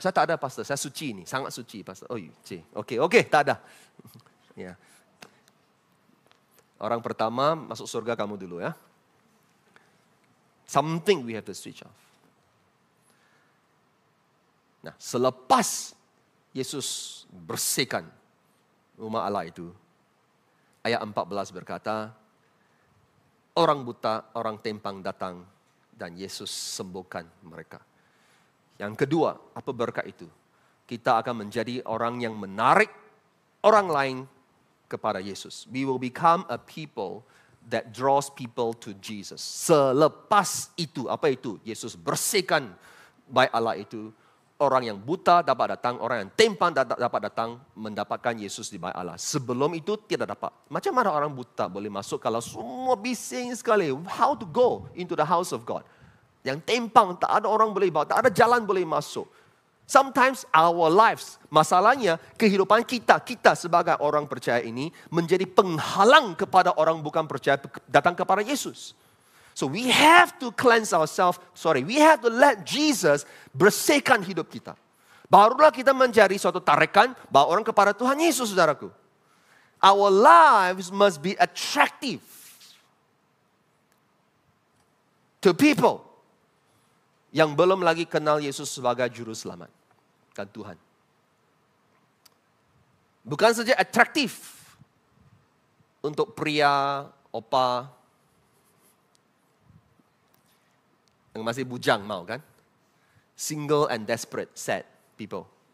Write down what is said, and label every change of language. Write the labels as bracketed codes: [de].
[ms] Saya tak ada pastor, saya suci ini. Sangat suci pastor. Oh, okay, tak ada. Yeah. orang pertama masuk surga kamu dulu ya. [en] Something we have to switch off. [ms] Nah, selepas Yesus bersihkan rumah Allah itu, ayat 14 berkata, orang buta, orang timpang datang dan Yesus sembuhkan mereka. Yang kedua, apa berkat itu? Kita akan menjadi orang yang menarik orang lain kepada Yesus. [en] We will become a people that draws people to Jesus. [ms] Selepas itu, apa itu? Yesus bersihkan by Allah itu. Orang yang buta dapat datang, orang yang timpang dapat datang, mendapatkan Yesus di bawah Allah. Sebelum itu tidak dapat. Macam mana orang buta boleh masuk kalau semua bising sekali? [en] How to go into the house of God? [ms] Yang timpang, tak ada orang boleh bawa, tak ada jalan boleh masuk. [en] Sometimes our lives, [ms] masalahnya kehidupan kita, kita sebagai orang percaya ini, menjadi penghalang kepada orang bukan percaya datang kepada Yesus. [en] So we have to cleanse ourselves. Sorry, we have to let Jesus [ms] bersihkan hidup kita. Barulah kita menjadi suatu tarikan bawa orang kepada Tuhan Yesus, saudaraku. [en] Our lives must be attractive to people [ms] yang belum lagi kenal Yesus sebagai juru selamat dan Tuhan. Bukan saja attractive untuk pria, opa, yang masih bujang mau kan? [en] Single and desperate, sad people.